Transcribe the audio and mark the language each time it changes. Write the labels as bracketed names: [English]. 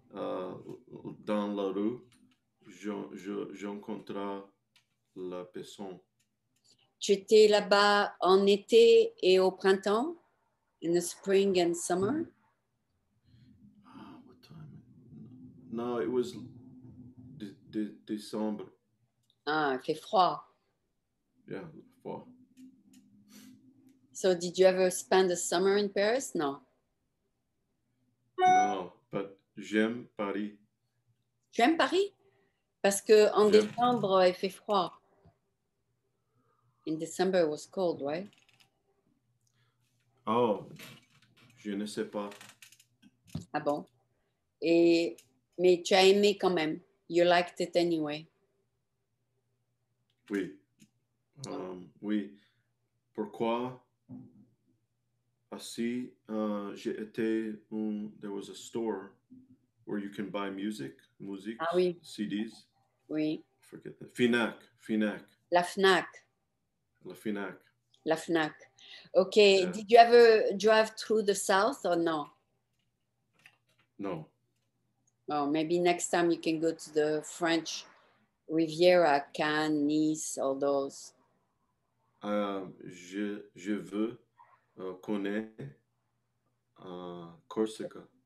[French] Dans la rue, j'encontrais la personne. Tu étais là-bas en été et au printemps? [English] In the spring and summer? What time? No, it was December. [French] Ah, il fait froid. [English] Yeah, froid. So, did you ever spend the summer in Paris? No. No, but... [French] J'aime Paris. Tu aimes Paris? Parce que en décembre, il fait froid. [English] In December, it was cold, right? [French] Oh, je ne sais pas. Ah bon? Mais tu as aimé quand même. [English] You liked it anyway. [French] Oui. Oui. Pourquoi? Ah si, j'ai été, [English] there was a store. where you can buy music, [French] ah, oui. [English] CDs. [French] Oui. [English] Forget that. FNAC. [French] La FNAC. La FNAC. Okay. Yeah. [English] Did you ever drive through the South or no? No. Well, maybe next time you can go to the French Riviera, Cannes, Nice, all those. [French] Je veux connaître Corsica.